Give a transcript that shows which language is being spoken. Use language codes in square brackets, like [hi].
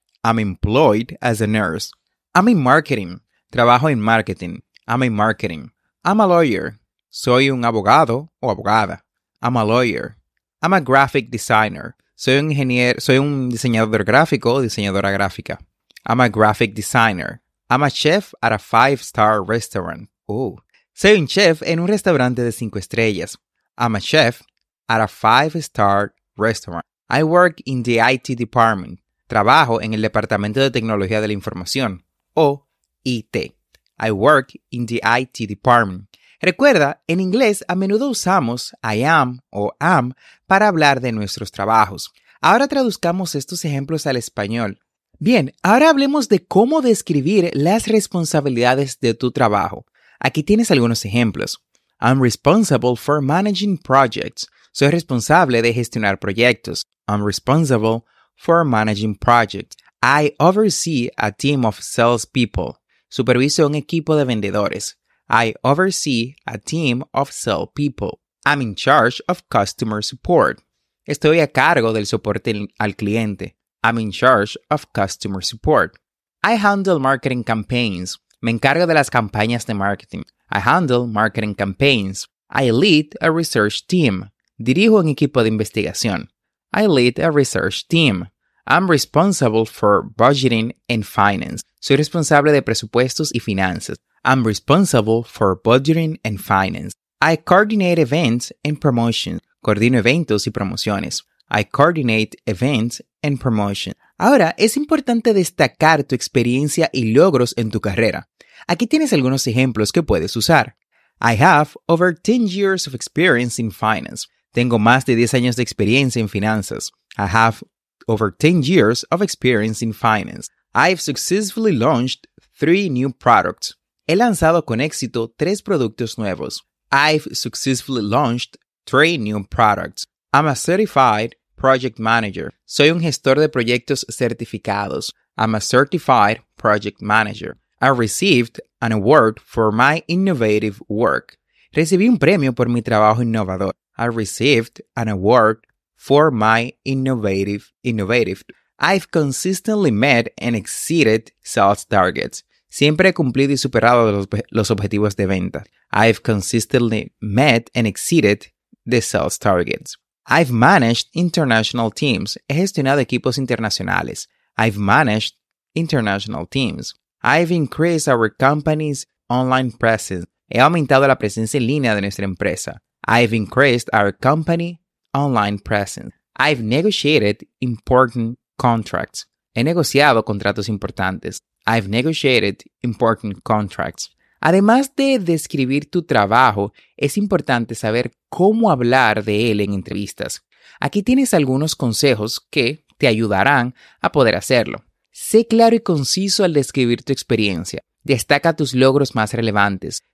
[en] I'm employed as a nurse. I'm in marketing. [es] Trabajo en marketing. [en] I'm in marketing. I'm a lawyer. [es] Soy un abogado o abogada. [en] I'm a lawyer. I'm a graphic designer. [es] Soy un diseñador gráfico o diseñadora gráfica. [en] I'm a graphic designer. I'm a chef at a 5-star restaurant. [es] Soy un chef en un restaurante de 5 estrellas. [en] I'm a chef at a 5-star restaurant. I work in the IT department. [es] Trabajo en el departamento de tecnología de la información o IT. [en] I work in the IT department. [es] Recuerda, en inglés a menudo usamos I am o am para hablar de nuestros trabajos. Ahora traduzcamos estos ejemplos al español. Bien, ahora hablemos de cómo describir las responsabilidades de tu trabajo. Aquí tienes algunos ejemplos. [en] I'm responsible for managing projects. [es] Soy responsable de gestionar proyectos. [en] I'm responsible for managing projects. I oversee a team of salespeople. [es] Superviso un equipo de vendedores. [en] I oversee a team of salespeople. I'm in charge of customer support. [es] Estoy a cargo del soporte al cliente. [en] I'm in charge of customer support. I handle marketing campaigns. [es] Me encargo de las campañas de marketing. [en] I handle marketing campaigns. I lead a research team. [es] Dirijo un equipo de investigación. [en] I lead a research team. I'm responsible for budgeting and finance. [es] Soy responsable de presupuestos y finanzas. [en] I'm responsible for budgeting and finance. I coordinate events and promotions. [es] Coordino eventos y promociones. [en] I coordinate events and promotions. [es] Ahora, es importante destacar tu experiencia y logros en tu carrera. Aquí tienes algunos ejemplos que puedes usar. [en] I have over 10 years of experience in finance. [es] Tengo más de 10 años de experiencia en finanzas. [en] I have over 10 years of experience in finance. I've successfully launched 3 new products. [es] He lanzado con éxito 3 productos nuevos. [en] I've successfully launched 3 new products. I'm a certified project manager. [es] Soy un gestor de proyectos certificados. [en] I'm a certified project manager. I received an award for my innovative work. [es] Recibí un premio por mi trabajo innovador. [en] I received an award for my innovative. I've consistently met and exceeded sales targets. [es] Siempre he cumplido y superado los objetivos de venta. [en] I've consistently met and exceeded the sales targets. I've managed international teams. [es] He gestionado equipos internacionales. [en] I've managed international teams. I've increased our company's online presence. [es] He aumentado la presencia en línea de nuestra empresa. [en] I've increased our company online presence. I've negotiated important contracts. [es] He negociado contratos importantes. [en] I've negotiated important contracts. [es] Además de describir tu trabajo, es importante saber cómo hablar de él en entrevistas. Aquí tienes algunos consejos que te ayudarán a poder hacerlo. Sé claro y conciso al describir tu experiencia. Destaca tus logros más relevantes.